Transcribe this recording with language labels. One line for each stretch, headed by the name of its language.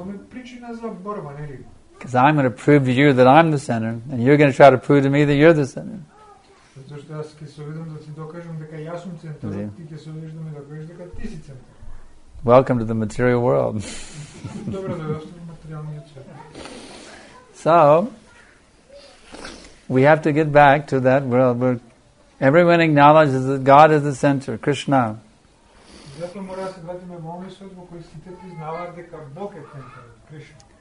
English: Because I'm going to prove to you that I'm the center, and you're going to try to prove to me that you're the center.
Macedonian: Зошто јас ќе се видам да ти докажам дека јас сум центар, ти ќе се видиш да ме докажеш дека ти си центар.
English: Welcome to the material world.
Macedonian: Добро дојдовте во материјалниот свет.
English: So, we have to get back to that world where everyone acknowledges that God is the center, Krishna.
Macedonian: Затоа мора да се вратиме во овој свет во кој сите признаваат дека Бог е центар, Кришна.